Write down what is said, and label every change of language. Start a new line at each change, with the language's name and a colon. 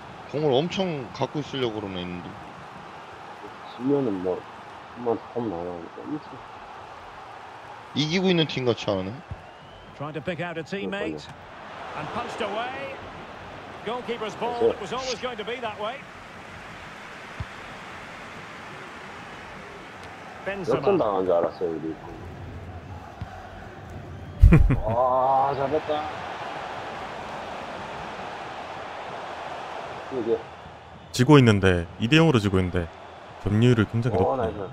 Korean: 공을 엄청 갖고 있으려고 그러네 했는데. 지면은 뭐 한번 더 나와야 하니까 이기고 있는 팀 같지 않네.
English: Trying to pick out a teammate and punched away. Goalkeeper's ball. It was always going to be that way. Benzema.
Korean: 역전 당한 줄 알았어요 우리. 와 잡았다. 지고 있는데 2대 0으로 지고 있는데 점유율을 굉장히 높아.